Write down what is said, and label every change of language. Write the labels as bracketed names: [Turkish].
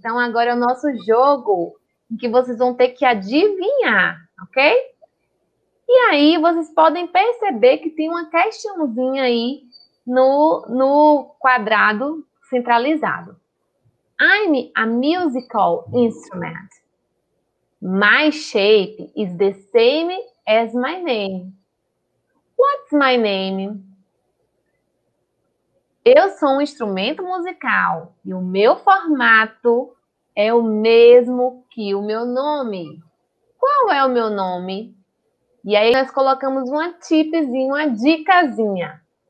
[Portuguese] Então, agora é o nosso jogo em que vocês vão ter que adivinhar, ok? E aí, vocês podem perceber que tem uma questãozinha aí no quadrado centralizado. [English] I'm a musical instrument. My shape is the same as my name. What's my name? [Portuguese] Eu sou um instrumento musical e o meu formato é o mesmo que o meu nome. Qual é o meu nome? E aí nós colocamos uma tipzinha, uma dicasinha.